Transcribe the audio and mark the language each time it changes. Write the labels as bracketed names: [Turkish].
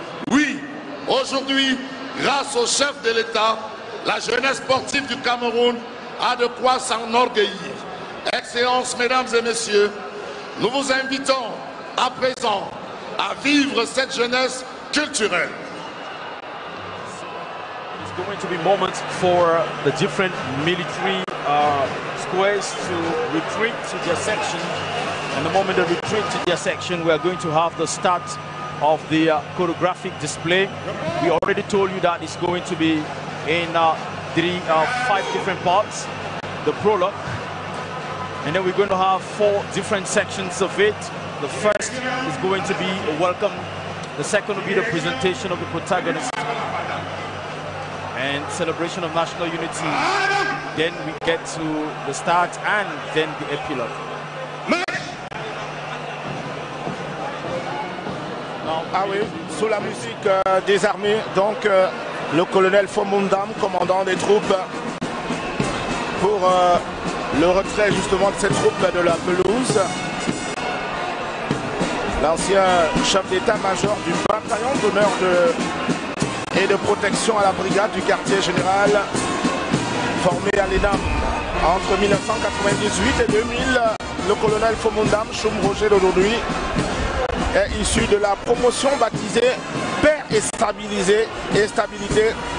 [French] Oui, aujourd'hui, grâce au chef de l'État, la jeunesse sportive du Cameroun a de quoi s'enorgueillir. Excellences, mesdames et messieurs, nous vous invitons à présent à vivre cette jeunesse culturelle. [English] It's going to be moments for the different military squares to retreat to their section. And the moment they retreat to their section, we are going to have the start of the choreographic display. We already told you that it's going to be in five different parts. the prologue, and then we're going to have four different sections of it. The first is going to be a welcome, the second will be the presentation of the protagonist and celebration of national unity, then we get to the start and then the epilogue. [French] Ah oui, sous la musique des armées, donc le colonel Fomundam, commandant des troupes, pour le retrait justement de cette troupe de la pelouse. L'ancien chef d'état-major du bataillon d'honneur et de protection à la brigade du quartier général, formé à l'ENAM entre 1998 et 2000, le colonel Fomundam Choum Roger d'aujourd'hui est issu de la promotion baptisée Paix et Stabilité. Et stabilité.